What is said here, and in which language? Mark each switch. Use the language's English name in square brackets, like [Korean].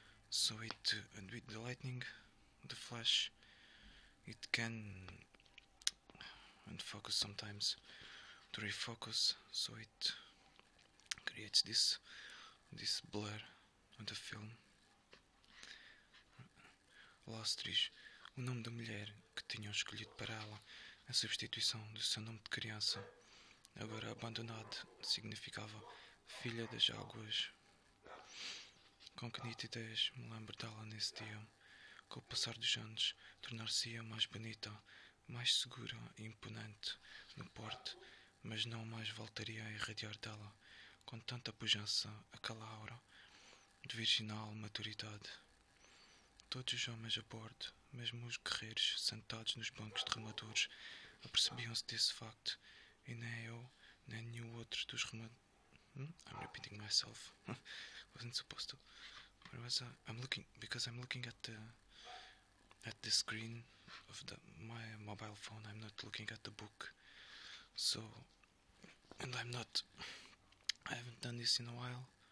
[English] So it, and with the lightning, the flash, it can unfocus sometimes to refocus, so it creates this blur on the film. [Portuguese] Lostris, o nome da mulher que tinham escolhido para ela, em substituição do seu nome de criança, agora abandonado, significava filha das águas. Com que nitidez me lembro dela nesse dia. Com o passar dos anos, tornar-se-ia mais bonita, mais segura e imponente no porte, mas não mais voltaria a irradiar dela, com tanta pujança, aquela aura de virginal maturidade. Todos os homens a bordo, mesmo os guerreiros sentados nos bancos de remadores, apercebiam-se desse facto, e nem eu, nem nenhum outro dos remadores. [English] I'm repeating myself. Wasn't supposed to. Where was I? Because I'm looking at the screen of my mobile phone. I'm not looking at the book. So, and I haven't done this in a while.